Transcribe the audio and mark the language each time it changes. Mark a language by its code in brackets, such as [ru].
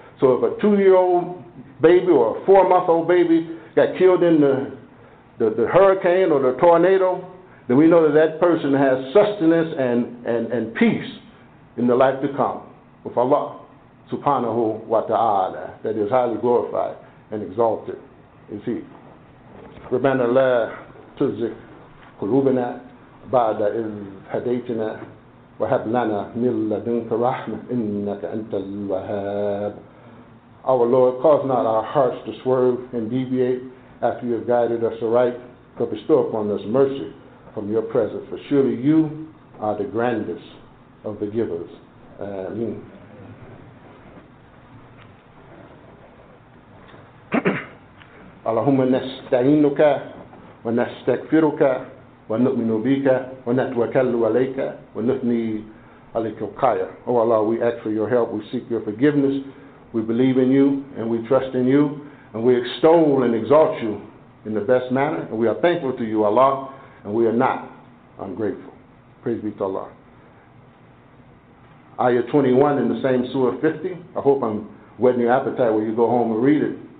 [en] So if a 2-year-old baby or a 4-month-old baby got killed in the hurricane or the tornado, then we know that that person has sustenance and peace in the life to come with Allah subhanahu wa ta'ala, that is highly glorified and exalted. Is he? [ar] Rabbana la tuzigh qulubana بعد إذ هديتنا وهب لنا من لدنك رحمة إنك أنت الوهاب. [en] Our Lord, cause not our hearts to swerve and deviate after you have guided us aright, but bestow upon us mercy from your presence. For surely you are the grandest of the givers. Ameen. [ar] Allahumma nasta'inuka wa nasta'gfiruka وَنُؤْمِنُ بِكَ وَنَتْوَكَلُّ عَلَيْكَ وَنُثْنِي عَلَيْكَ الْقَيَا. [en] O Allah, we ask for your help. We seek your forgiveness. We believe in you and we trust in you. and we extol and exalt you in the best manner, and we are thankful to you, Allah, and we are not ungrateful. Praise be to Allah. Ayah 21 in the same Surah 50. I hope I'm whetting your appetite when you go home and read it.